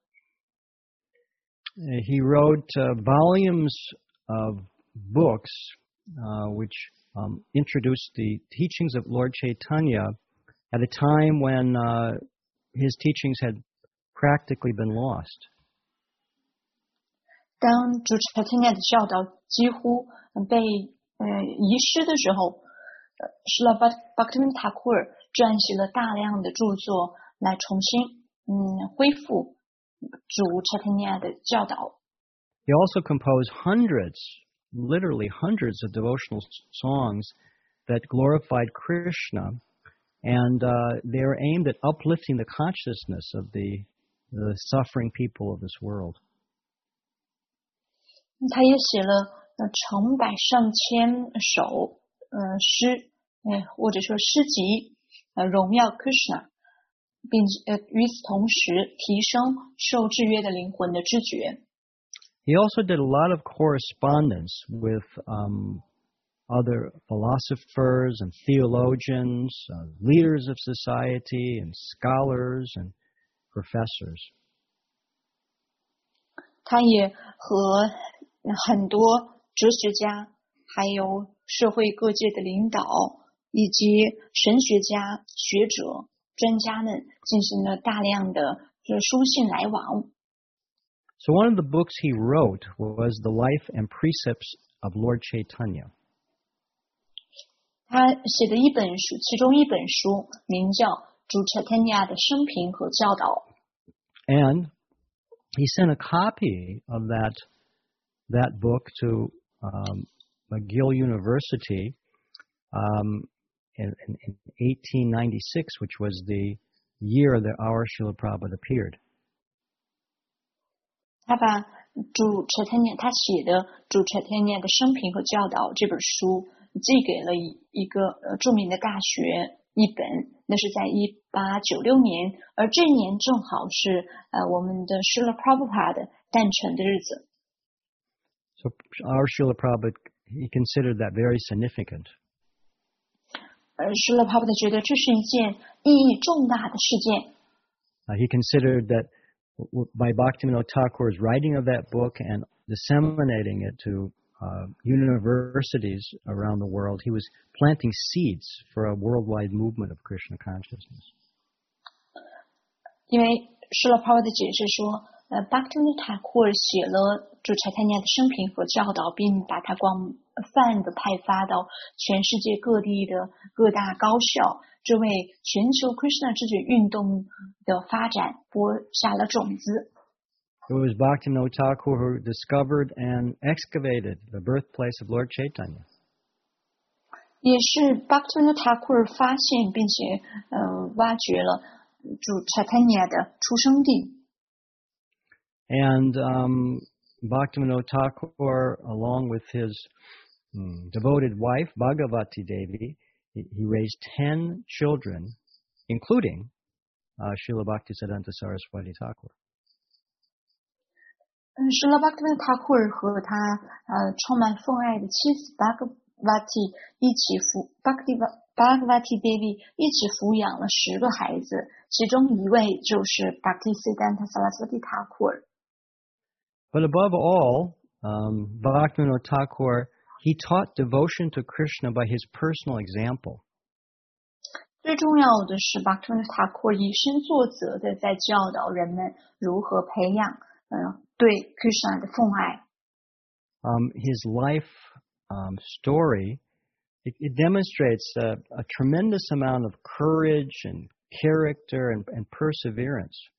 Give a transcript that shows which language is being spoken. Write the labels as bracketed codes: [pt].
[zh] 他是一个非常多产的作家、诗人，又是一个有力量的传教者。 [en] He wrote volumes of books which introduced the teachings of Lord Chaitanya at a time when his teachings had practically been lost. [zh] 当主持人的教导几乎被遗失的时候, Srila Bhaktivinoda Thakur 撰写了大量的著作来重新恢复主持人的教导。 [en] He also composed hundreds, literally hundreds of devotional songs that glorified Krishna, and they were aimed at uplifting the consciousness of the suffering people of this world. [zh] 他也写了成百上千首诗, 或者说诗集荣耀 Krishna， 并与此同时提升受制约的灵魂的知觉。 [en] He also did a lot of correspondence with other philosophers and theologians, leaders of society, and scholars and professors. [zh] 他也和很多哲学家，还有社会各界的领导，以及神学家、学者、专家们进行了大量的书信来往。 [en] So one of the books he wrote was The Life and Precepts of Lord Chaitanya. [zh] 他写的一本书，其中一本书名叫《主 Chaitanya 的生平和教导》。 [en] And he sent a copy of that book to McGill University in 1896, which was the year that our Srila Prabhupada appeared. [zh] 他把主 Chaitanya 他写的主 Chaitanya 的生平和教导这本书寄给了一个著名的大学一本，那是在1896年，而这年正好是我们的 Srila Prabhupada 的诞辰的日子。 [en] So our Srila Prabhupada, he considered that very significant. [zh] Srila Prabhupada 觉得这是一件意义重大的事件。 [en] He considered that by Bhaktivinoda Thakur's writing of that book and disseminating it to universities around the world, he was planting seeds for a worldwide movement of Krishna consciousness. [zh] 因为 Srila Prabhupada 解释说Bhaktivinoda Thakur 写了主 Chaitanya 的生平和教导，并把它广泛的派发到全世界各地的各大高校，这为全球 Krishna 知觉运动的发展播下了种子。 [en] It was Bhaktivinoda Thakur who discovered and excavated the birthplace of Lord Chaitanya. [zh] 也是 Bhaktivinoda Thakur 发现并且挖掘了主 Chaitanya 的出生地。 [en] And Bhaktivinoda Thakur, along with his devoted wife, Bhagavati Devi, he raised 10 children, including Srila Bhaktisiddhanta Saraswati Thakur. [zh] Srila Bhaktivinoda Thakur 和他充满奉爱的妻子 Bhagavati 一起抚 Bhagavati Devi 一起抚养了十个孩子，其中一位就是 Bhaktisiddhanta Saraswati Thakur。 [en] But above all, Bhaktivinoda Thakur, he taught devotion to Krishna by his personal example. [zh] 最重要的是 Bhaktivinoda Thakur 以身作则的在教导人们如何培养对 Krishna 的奉爱。 [en] His life story, it demonstrates a tremendous amount of courage and character and perseverance.